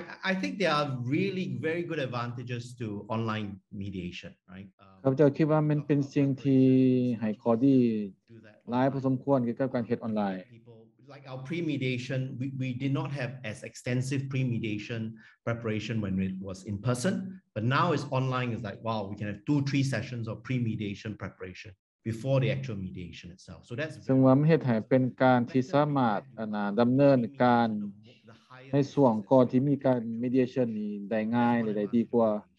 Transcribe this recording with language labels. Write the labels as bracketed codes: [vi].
[en] I think there are really very good advantages to online mediation, right? [th] ครับเจ้าคิดว่ามันเป็นสิ่งที่ให้ข้อดีหลายพอสมควรเกี่ยวกับการเฮ็ดออนไลน์ [en] Like our pre-mediation, we did not have as extensive pre-mediation preparation when it was in person, but now it's online. It's like wow, we can have 2-3 sessions of pre-mediation preparation before the actual mediation itself. So that's. [th] ซึ่งว่ามันเฮ็ดให้เป็นการที่สามารถดำเนินการในส่วนก่อนที่มีการ mediation นี้ได้ง่ายหรือได้ดีกว่า